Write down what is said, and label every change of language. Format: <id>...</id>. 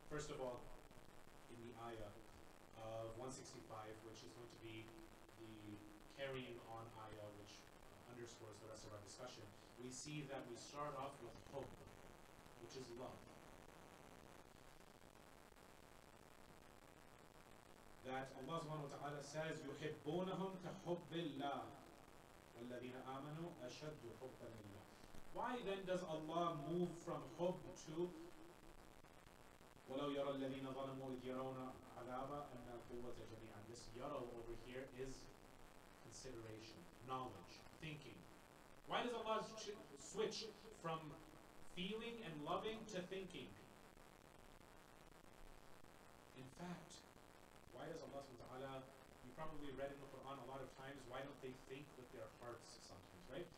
<en>First of all, in the ayah of 165, which is going to be the carrying on ayah, which underscores the rest of our discussion, we see that we start off with hub, which is love. That Allah subhanahu wa ta'ala says,</en> <ar>يُحِبُّونَهُمْ كَحُبِّ اللَّهِ وَالَّذِينَ آمَنُوا أَشَدُّ حُبًّا لِلَّهِ.</ar> <en>Why then does Allah move from hub to</en> <ar>وَلَوْ يَرَى الَّذِينَ ظَلَمُوا إِذْ يَرَوْنَ عَذَابَ أَنَّ الْقُوَّةَ جَمِيعًا.</ar> <en>This yara over here is consideration, knowledge, thinking. Why does Allah switch from feeling and loving to thinking? In fact, why does Allah subhanahu wa ta'ala, you probably read in the Quran a lot of times, why don't they think with their hearts sometimes, right?</en>